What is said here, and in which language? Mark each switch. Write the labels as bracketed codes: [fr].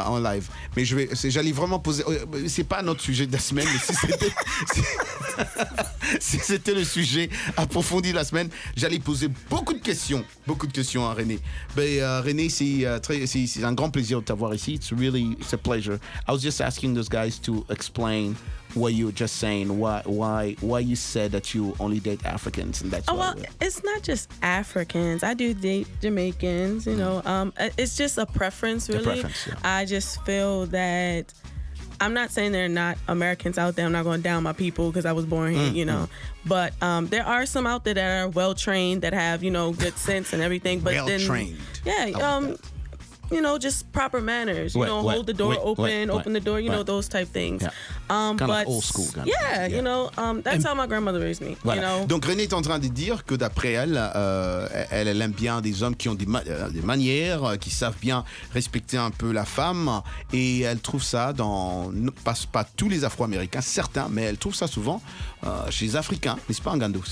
[fr] En live. Mais j'allais vraiment poser... C'est pas notre sujet de la semaine, mais si c'était... si c'était le sujet approfondi de la semaine, j'allais poser beaucoup de questions à René. Mais René, c'est un grand plaisir de t'avoir ici. [en] It's a pleasure. I was just asking those guys to explain what you were just saying. Why you said that you only date Africans and that's It's not just Africans. I do date Jamaicans. You know, it's just a preference, really. A preference, yeah. I just feel that. I'm not saying there are not Americans out there. I'm not going down my people because I was born here, you know. But there are some out there that are well-trained, that have, you know, good sense and everything. But well-trained. Then, yeah, you know, just proper manners. You know, hold the door open the door, you know, those type things. Yeah. Kind of old school. Kind of. Yeah, yeah, you know, that's how my grandmother raised me, you know. [fr] Donc René est en train de dire que d'après elle, elle aime bien des hommes qui ont des manières, qui savent bien respecter un peu la femme. Et elle trouve ça pas tous les Afro-Américains, certains, mais elle trouve ça souvent chez les Africains, n'est-ce pas, Ngando?